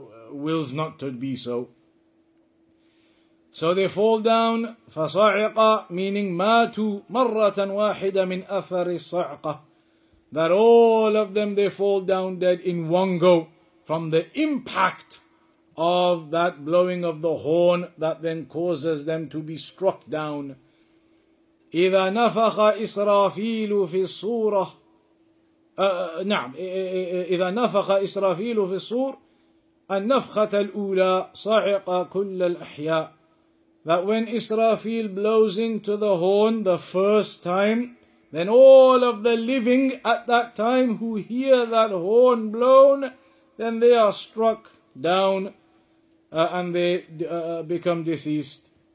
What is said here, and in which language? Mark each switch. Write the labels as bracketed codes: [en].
[en] wills not to be so. So they fall down, [ar] فصعقا, [en] meaning [ar] ماتوا مرة واحدة من أثر الصعقة, [en] that all of them, they fall down dead in one go from the impact of that blowing of the horn that then causes them to be struck down. [ar] إذا نفخ إسرافيل في الصورة نعم إذا نفخ إسرافيل في الصور النفخة الأولى صعق كل الأحياء. [en] That when Israfil blows into the horn the first time, then all of the living at that time who hear that horn blown, then they are struck down and they become deceased.